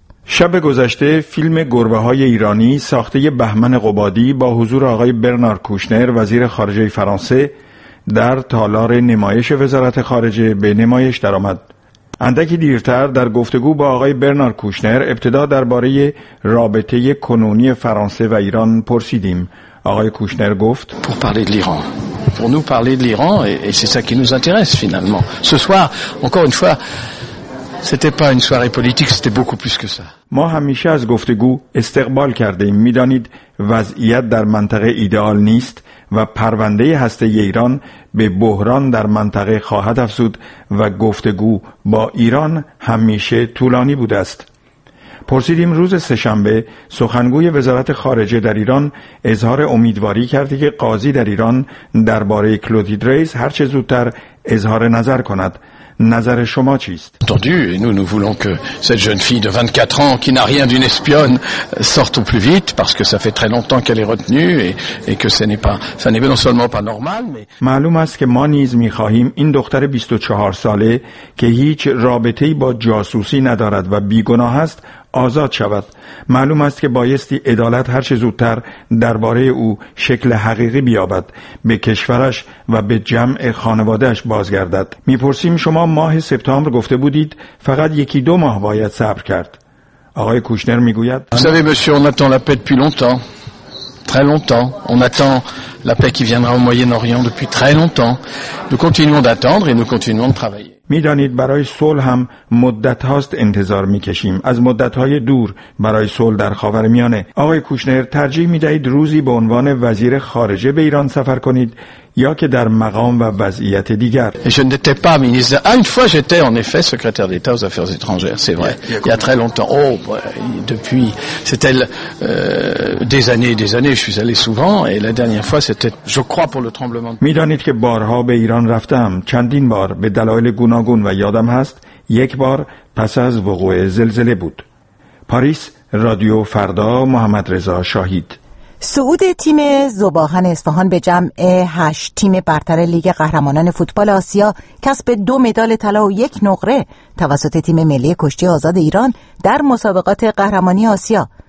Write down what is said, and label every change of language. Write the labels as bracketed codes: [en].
[fa] شب گذشته فیلم گربه‌های ایرانی ساخته بهمن قبادی با حضور آقای برنارد کوشنر وزیر خارجه فرانسه در تالار نمایش وزارت خارجه به نمایش درآمد. اندکی دیرتر در گفتگو با آقای برنارد کوشنر ابتدا درباره رابطه کنونی فرانسه و ایران پرسیدیم. آقای کوشنر گفت: [fr] pour parler de l'Iran. Pour nous parler de l'Iran et c'est ça qui nous intéresse finalement. Ce soir, encore une fois, c'était pas une soirée politique, c'était beaucoup plus que ça. [fa] ما همیشه از گفتگو استقبال کرده‌ایم. می‌دانید وضعیت در منطقه ایدئال نیست و پرونده هسته‌ای ایران به بحران در منطقه خواهد افزود و گفتگو با ایران همیشه طولانی بوده است. پرسیدیم روز سه‌شنبه سخنگوی وزارت خارجه در ایران اظهار امیدواری کرده که قاضی در ایران درباره کلودی دریز هر چه زودتر اظهار نظر کند. نظر شما چیست؟ [fr] Entendu, et nous voulons que cette jeune fille de 24 ans qui n'a rien d'une espionne sorte au plus vite parce que ça fait très longtemps qu'elle est retenue et que ce n'est pas ça n'est pas non seulement pas normal mais [fa] معلوم است که ما نیز می‌خواهیم این دختر 24 ساله که هیچ رابطه‌ای با جاسوسی ندارد و بی‌گناه است آزاد شود. معلوم است که بایستی عدالت هر چه زودتر درباره او شکل حقیقی بیابد، به کشورش و به جمع خانواده‌اش بازگردد. می‌پرسیم شما ماه سپتامبر گفته بودید فقط یکی دو ماه باید صبر کرد. آقای کوشنر می‌گوید: [fr] Vous savez monsieur, on attend la paix depuis longtemps. Très longtemps. On attend la paix qui viendra au Moyen-Orient depuis très longtemps. Nous continuons d'attendre et nous continuons de travailler. [fa] می‌دانید برای صلح هم مدت هاست انتظار می‌کشیم، از مدت‌های دور برای صلح در خاورمیانه. آقای کوشنر ترجیح می‌دهید روزی به عنوان وزیر خارجه به ایران سفر کنید یا که در مقام و وضعیت دیگر؟ [fr] Je n'étais pas ministre. Une fois j'étais en effet secrétaire d'État aux affaires étrangères, c'est vrai. Il y a très longtemps. Depuis c'était des années, je suis allé souvent et la dernière fois c'était je crois pour le tremblement. [fa] می‌دانید که بارها به ایران رفتم، چندین بار به دلایل و یادم هست یک بار پس از وقوع زلزله بود. پاریس، رادیو فردا، محمد رضا شاهید. صعود تیم ذوب‌آهن اصفهان به جمع 8 تیم برتر لیگ قهرمانان فوتبال آسیا، کسب 2 مدال طلا و 1 نقره توسط تیم ملی کشتی آزاد ایران در مسابقات قهرمانی آسیا.